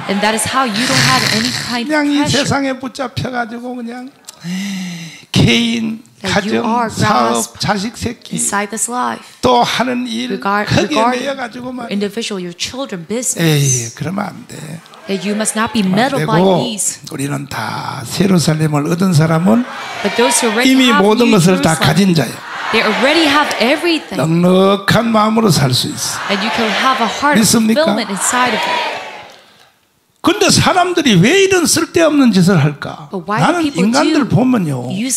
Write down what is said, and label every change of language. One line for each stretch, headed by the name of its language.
English: And that is how you don't have any kind of pressure.
Korean: 그냥 이 세상에 붙잡혀 가지고 그냥 개인 가정, 사업, 자식, 새끼 또 하는 일 크게 매여 가지고 말이야.
English: Individual your children business.
Korean: 에이, 그러면 안 돼.
English: That you must not be meddled by these.
Korean: 우리는 다 예루살렘을 얻은 사람은 이미 모든 것을 다 가진 자야.
English: They already have everything.
Korean: 넉넉한 마음으로 살 수 있어.
English: And you can have a heart of fulfillment inside of it.
Korean: 근데 사람들이 왜 이런 쓸데없는 짓을 할까? 나는 인간들 보면요.